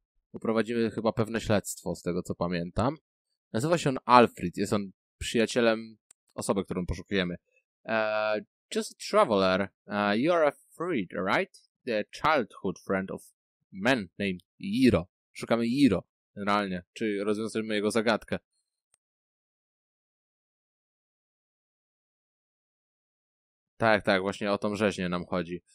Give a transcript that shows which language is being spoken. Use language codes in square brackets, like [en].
[pl] Poprowadzimy chyba pewne śledztwo, z tego co pamiętam. Nazywa się on Alfred, jest on przyjacielem osoby, którą poszukujemy. [en] Just a traveler, you are a friend, right? The childhood friend of man named Jiro. [pl] Szukamy Jiro, generalnie. Czy rozwiązujemy jego zagadkę? Tak, tak, właśnie o tą rzeźnię nam chodzi.